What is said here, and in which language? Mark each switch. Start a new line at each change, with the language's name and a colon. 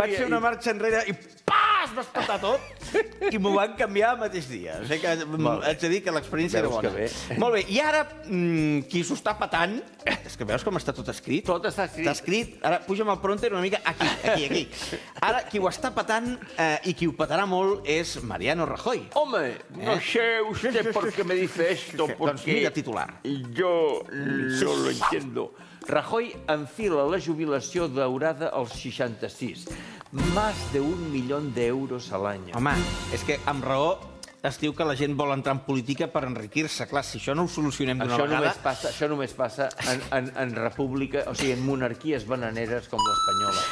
Catalan: Vaig fer una marxa enrere i... Es va espantar tot i m'ho van canviar el mateix dia. O sigui que, haig de dir que l'experiència era bona. Molt bé, i ara, qui s'ho està petant... És que veus com està tot escrit? Tot està escrit. Està escrit. Ara puja'm el pronter una mica aquí, aquí, aquí. Ara, qui ho està petant i qui ho petarà molt és Mariano Rajoy.
Spanish: Home, no sé usted por qué me dice esto, porque...
Catalan: Doncs mira, titular.
Spanish: Yo no lo entiendo.
Catalan: Rajoy enfila la jubilació daurada als 66. Más de 1 milió d'euros a l'any. Home, és que amb raó es diu que la gent vol entrar en política per enriquir-se. Clar, si això no ho solucionem d'una vegada... Només passa, això només passa en república, o sigui, en monarquies bananeres com l'espanyola.